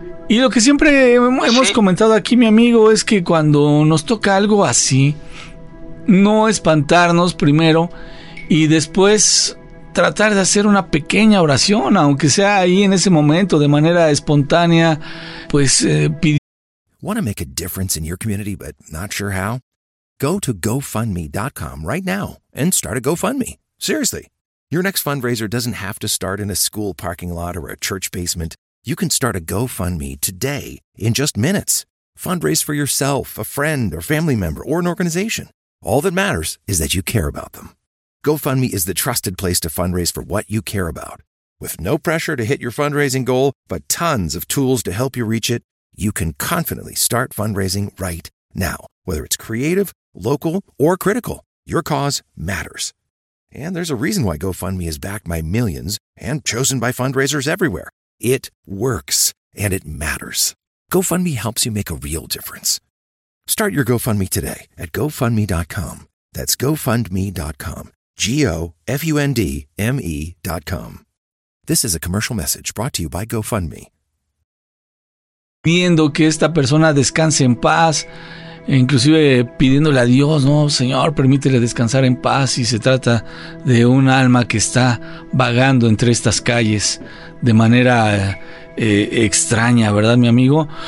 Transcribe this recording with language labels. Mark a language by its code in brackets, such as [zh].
[es] Y lo que siempre hemos comentado aquí, mi amigo, es que cuando nos toca algo así, no espantarnos primero y después tratar de hacer una pequeña oración, aunque sea ahí en ese momento de manera espontánea, pues [en] Want to make a difference in your community but not sure how? Go to GoFundMe.com right now and start a GoFundMe. Seriously, your next fundraiser doesn't have to start in a school parking lot or a church basement. You can start a GoFundMe today in just minutes. Fundraise for yourself, a friend, or family member, or an organization. All that matters is that you care about them. GoFundMe is the trusted place to fundraise for what you care about. With no pressure to hit your fundraising goal, but tons of tools to help you reach it, you can confidently start fundraising right now. Whether it's creative, local, or critical, your cause matters. And there's a reason why GoFundMe is backed by millions and chosen by fundraisers everywhere. It works, and it matters. GoFundMe helps you make a real difference. Start your GoFundMe today at GoFundMe.com. That's GoFundMe.com. GoFundMe.com. This is a commercial message brought to you by GoFundMe. [es] Pidiendo que esta persona descanse en paz, inclusive pidiéndole a Dios, no, Señor, permítele descansar en paz, y se trata de un alma que está vagando entre estas calles de manera extraña, ¿verdad, mi amigo?